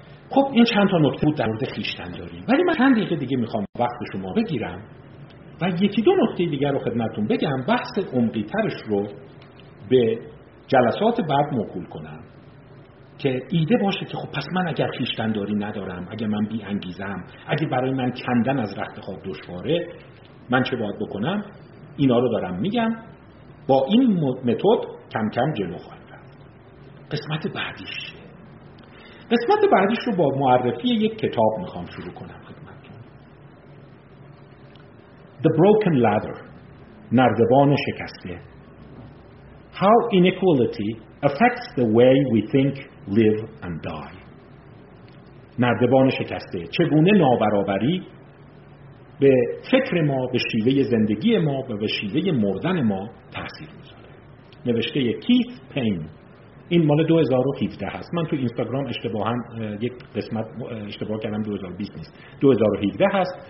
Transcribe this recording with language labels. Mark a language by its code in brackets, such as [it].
[fa] خب این چند تا نکته بود در مورد خیشتن داریم، ولی من چند دقیقه دیگه میخوام وقت شما بگیرم و یکی دو نکته دیگر رو خدمتون بگم، بحث عمقی ترش رو به جلسات بعد موکول کنم که ایده باشه که خب پس من اگر خیشتنداری ندارم، اگر من بی انگیزم، اگر برای من کندن از رخت خواب دشواره، من چه باید بکنم؟ اینا رو دارم میگم، با این متد کم کم جلو خواهم رفت. قسمت بعدیش چیه؟ قسمت بعدیش رو با معرفی یک کتاب میخوام شروع کنم خدمتتون. [en] The Broken Ladder، [fa] نردبان شکسته. [en] How inequality affects the way we think, live and die. [fa] نردبان شکسته، چگونه نابرابری به فکر ما، به شیوه زندگی ما و به شیوه مردن ما تاثیر میذاره. نوشته کیث پین. این مال 2017 هست. من تو اینستاگرام اشتباهاً یک قسمت اشتباه کردم، 2020 نیست، 2017 هست.